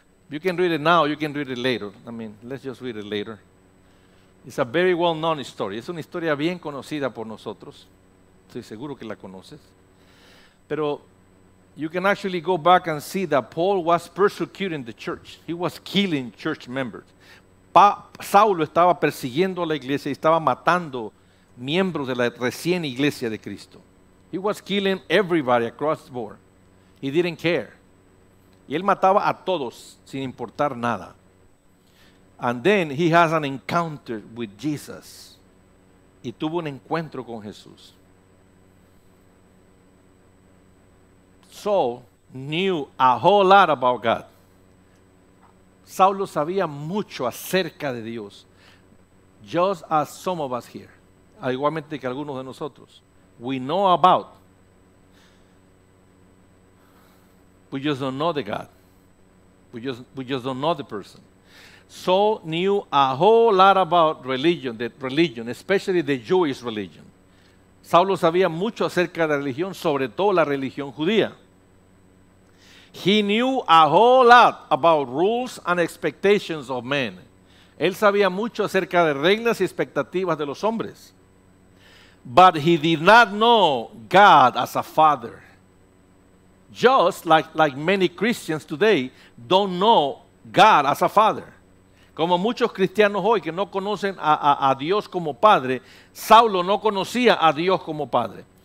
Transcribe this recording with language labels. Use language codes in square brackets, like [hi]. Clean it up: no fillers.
[en] You can read it now, you can read it later. I mean, let's just read it later. It's a very well-known story. [es] Es una historia bien conocida por nosotros. Estoy seguro que la conoces. [en] Pero you can actually go back and see that Paul was persecuting the church. He was killing church members. [es] Saulo estaba persiguiendo a la iglesia y estaba matando miembros de la recién iglesia de Cristo. [en] He was killing everybody across the board. He didn't care. [es] Y él mataba a todos sin importar nada. [en] And then he has an encounter with Jesus. [es] Y tuvo un encuentro con Jesús. [en] Saul knew a whole lot about God. [es] Saulo sabía mucho acerca de Dios. [en] Just as some of us here. [es] Igualmente que algunos de nosotros. [en] We know about. We just don't know the God. We just don't know the person. So knew a whole lot about religion, the religion, especially the Jewish religion. [es] Saulo sabía mucho acerca de la religión, sobre todo la religión judía. [en] He knew a whole lot about rules and expectations of men. [es] Él sabía mucho acerca de reglas y expectativas de los hombres. [en] But he did not know God as a father. Just like many Christians today don't know God as a father. [es] Como muchos cristianos hoy que no conocen a Dios como padre, Saulo no conocía a Dios como padre.